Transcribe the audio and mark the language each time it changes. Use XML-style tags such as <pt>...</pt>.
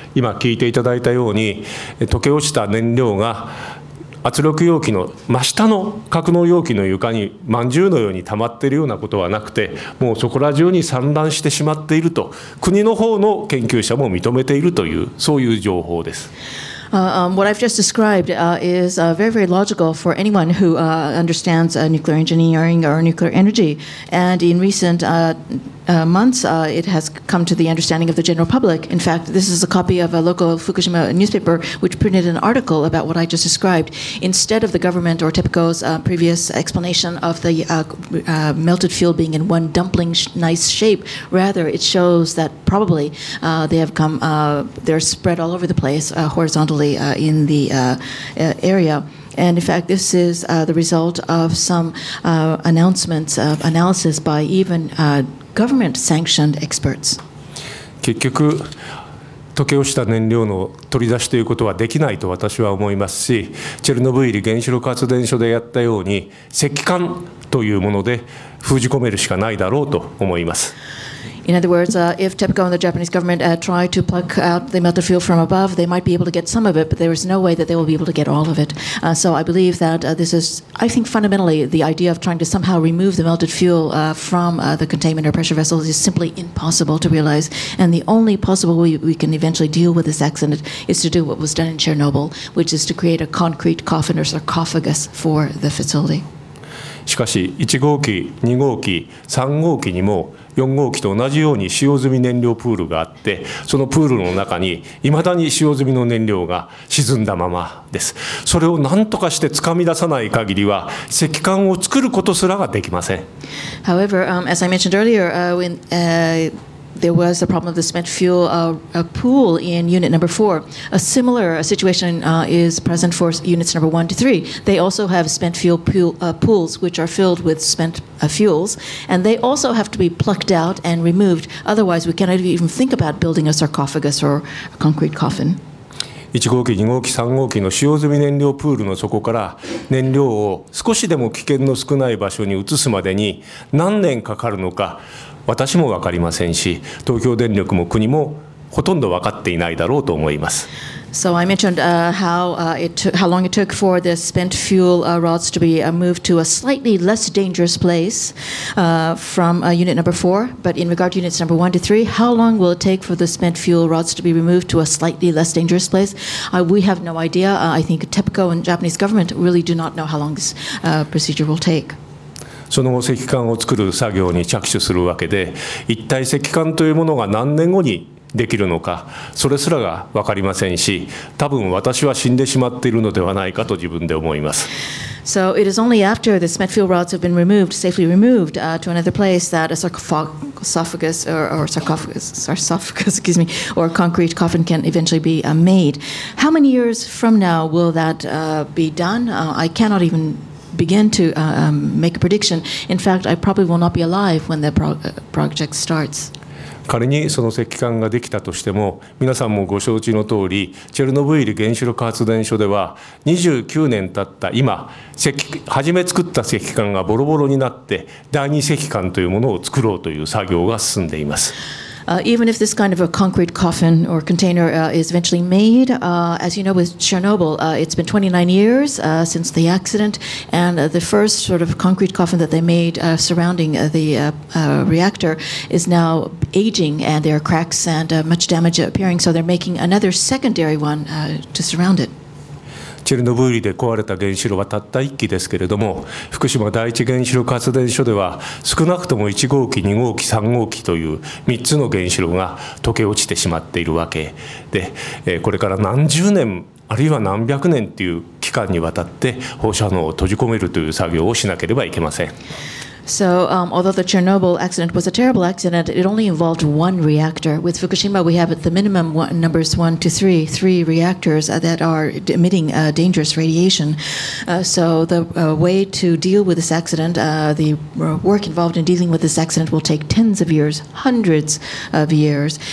<ja>今聞いていただいたように溶け落ちた燃料が圧力容器の真下の格納容器の床にまんじゅうのように溜まっているようなことはなくて、もうそこら中に散乱してしまっていると、国の方の研究者も認めているという、そういう情報です。</ja> <en>What I've just described is very, very logical for anyone who understands nuclear engineering or nuclear energy. And in recent months, it has come to the understanding of the general public. In fact, this is a copy of a local Fukushima newspaper which printed an article about what I just described. Instead of the government or TEPCO's previous explanation of the melted fuel being in one dumpling nice shape, rather it shows that probably they have come, they're spread all over the place horizontally. In the area. And in fact, this is the result of some announcements of analysis by even government sanctioned experts.</en> <ja>結局、溶け落ちた燃料の取り出しということはできないと私は思いますし、チェルノブイリ原子力発電所でやったように、石棺というもので封じ込めるしかないだろうと思います。</ja> <en>In other words, if TEPCO and the Japanese government try to pluck out the melted fuel from above, they might be able to get some of it, but there is no way that they will be able to get all of it. So I believe that this is, I think fundamentally, the idea of trying to somehow remove the melted fuel from the containment or pressure vessels is simply impossible to realize. And the only possible way we can eventually deal with this accident is to do what was done in Chernobyl, which is to create a concrete coffin or sarcophagus for the facility.</en> <ja>しかし1号機、2号機、3号機にも4号機と同じように使用済み燃料プールがあって、そのプールの中に未だに使用済みの燃料が沈んだままです。それを何とかして掴み出さない限りは石棺を作ることすらができません。</ja> <en>However, as I mentioned earlier, when there was a problem of the spent fuel pool in unit number 4. A similar situation is present for units number 1 to 3. They also have spent fuel pools, which are filled with spent fuels, and they also have to be plucked out and removed. Otherwise, we cannot even think about building a sarcophagus or a concrete coffin.</en> <ja>1号機、2号機、3号機の使用済み燃料プールの底から燃料を少しでも危険の少ない場所に移すまでに何年かかるのか私も分かりませんし、東京電力も国もほとんど分かっていないだろうと思います。</ja> <en>So I mentioned how long it took for the spent fuel rods to be moved to a slightly less dangerous place from unit number 4. But in regard to units number 1 to 3, how long will it take for the spent fuel rods to be removed to a slightly less dangerous place? We have no idea. I think TEPCO and Japanese government really do not know how long this procedure will take.</en> <ja>その後石棺を作る作業に着手するわけで、一体石棺というものが何年後にできるのか、それすらが分かりませんし、多分私は死んでしまっているのではないかと自分で思います。</ja> <en>So it is only after the spent fuel rods have been removed, safely removed, to another place that a sarcophagus or concrete coffin can eventually be made. How many years from now will that be done? I cannot evenbegin to make a prediction. In fact, I probably will not be alive when the project starts.</en> <ja>仮にその石棺ができたとしても、皆さんもご承知の通り、チェルノブイリ原子力発電所では29年経った今、初め作った石棺がボロボロになって、第二石棺というものを作ろうという作業が進んでいます。</ja> <en>Even if this kind of a concrete coffin or container is eventually made, as you know, with Chernobyl, it's been 29 years since the accident, and the first sort of concrete coffin that they made surrounding the reactor is now aging, and there are cracks and much damage appearing, so they're making another secondary one to surround it.</en> <ja>チェルノブイリで壊れた原子炉はたった1基ですけれども、福島第一原子力発電所では、少なくとも1号機、2号機、3号機という3つの原子炉が溶け落ちてしまっているわけで、これから何十年、あるいは何百年という期間にわたって放射能を閉じ込めるという作業をしなければいけません。</ja> <en>So, although the Chernobyl accident was a terrible accident, it only involved one reactor. With Fukushima, we have at the minimum numbers 1 to 3, three reactors that are emitting dangerous radiation. So the way to deal with this accident, the work involved in dealing with this accident will take tens of years, hundreds of years.</en>